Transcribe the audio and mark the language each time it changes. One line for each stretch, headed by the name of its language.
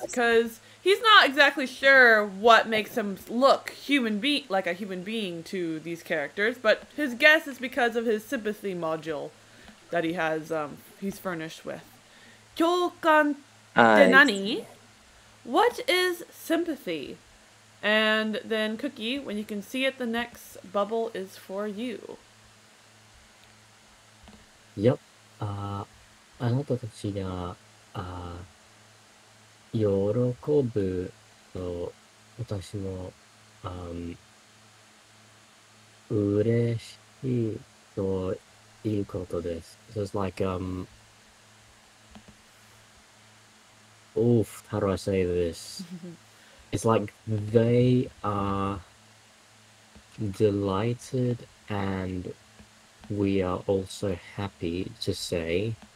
English: Because he's not exactly sure what makes him look human like a human being to these characters, but his guess is because of his sympathy module that he has, he's furnished with.
Japanese: 共感って何?
English: What is sympathy? And then Cookie, when you can see it, the next bubble is for you. Yep.
Japanese: あなたたちが、喜ぶと私も、嬉しいということです。
English: So it's like, oof, how do I say this? It's like they are delighted and we are also happy to say.